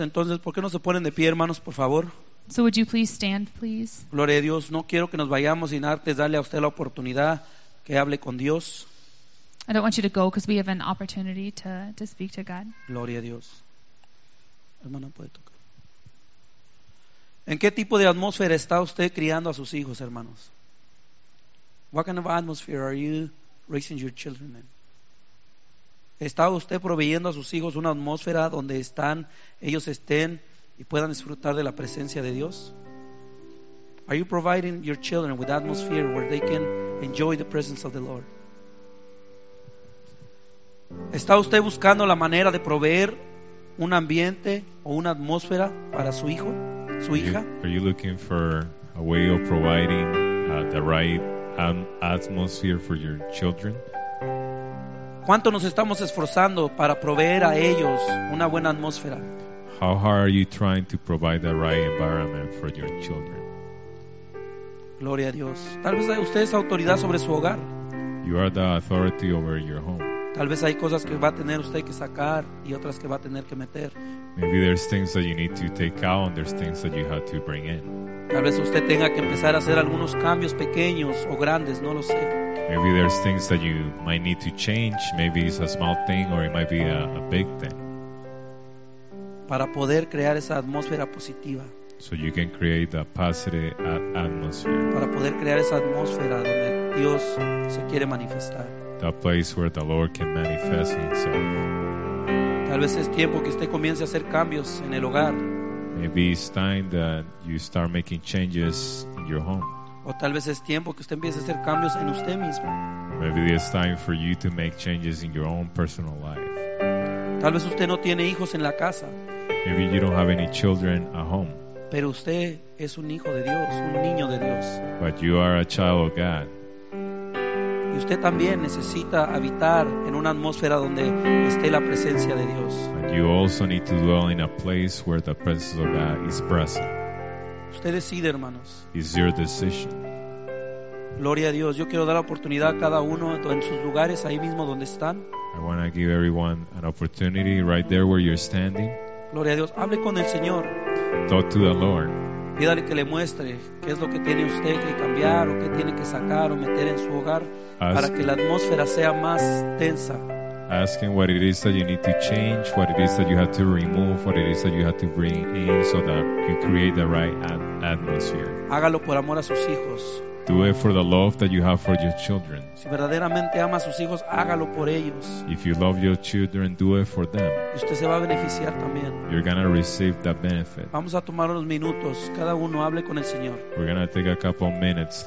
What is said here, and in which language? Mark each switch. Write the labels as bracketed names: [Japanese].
[Spanish] Entonces, ¿por qué no se ponen de pie, hermanos, por favor? [English] So would you please stand, please? [Spanish] Gloria a Dios. No quiero que nos vayamos sin antes darle a usted la oportunidad que hable con Dios. [English] I don't want you to go because we have an opportunity to speak to God. [Spanish] Gloria a Dios. Hermana, puede tocar. ¿En qué tipo de atmósfera está usted criando a sus hijos, hermanos? [English] What kind of atmosphere are you raising your children in? [Spanish] ¿Está usted proveyendo a sus hijos una atmósfera donde están, ellos estén y puedan disfrutar de la presencia de Dios? [English] Are you providing your children with atmosphere where they can enjoy the presence of the Lord? [Spanish] ¿Está usted buscando la manera de proveer un ambiente o una atmósfera para su hijo, su hija? [English] Are you looking for a way of providing the right atmosphere for your children? [Spanish] ¿Cuánto nos estamos esforzando para proveer a ellos una buena atmósfera? [English] How hard are you trying to provide the right environment for your children? [Spanish] Gloria a Dios. Tal vez usted es autoridad sobre su hogar. [English] You are the authority over your home. [Spanish] Tal vez hay cosas que va a tener usted que sacar y otras que va a tener que meter. [English] Maybe there's things that you need to take out and there's things that you have to bring in. [Spanish] Tal vez usted tenga que empezar a hacer algunos cambios pequeños o grandes, no lo sé. [English] Maybe there's things that you might need to change. Maybe it's a small thing or it might be a big thing. [Spanish] Para poder crear esa atmósfera positiva. [English] So you can create a positive atmosphere. [Spanish] Para poder crear esa atmósfera donde Dios se quiere manifestar. [English] The place where the Lord can manifest himself. [Spanish] Tal vez es tiempo que usted comience a hacer cambios en el hogar. [English] Maybe it's time that you start making changes in your home. [Spanish] O tal vez es tiempo que usted empiece a hacer cambios en usted mismo. [English] Maybe it's time for you to make changes in your own personal life. [Spanish] Tal vez usted no tiene hijos en la casa. [English] Maybe you don't have any children at home. [Spanish] Pero usted es un hijo de Dios, un niño de Dios. [English] But you are a child of God. [Spanish] Y usted también necesita habitar en una atmósfera donde esté la presencia de Dios. [English] And you also need to dwell in a place where the presence of God is present. [Spanish] Usted decide, hermanos. [English] It's your decision. [Spanish] Gloria a Dios. Yo quiero dar la oportunidad a cada uno en sus lugares, ahí mismo donde están. [English] I want to give everyone an opportunity right there where you're standing. [Spanish] Gloria a Dios. Hable con el Señor. [English] Talk to the Lord. [Spanish] Pídale que le muestre qué es lo que tiene usted que cambiar o qué tiene que sacar o meter en su hogar para que la atmósfera sea más tensa. [English] Ask him what it is that you need to change, what it is that you have to remove, what it is that you have to bring in so that you create the right atmosphere. [Spanish] Hágalo por amor a sus hijos. [English] Do it for the love that you have for your children. [Spanish] Si verdaderamente ama a sus hijos, hágalo por ellos. [English] If you love your children, do it for them. [Spanish] Usted se va a beneficiar también. [English] You're going to receive that benefit. [Spanish] Vamos a tomar unos minutos. Cada uno hable con el Señor. [English] We're going to take a couple of minutes.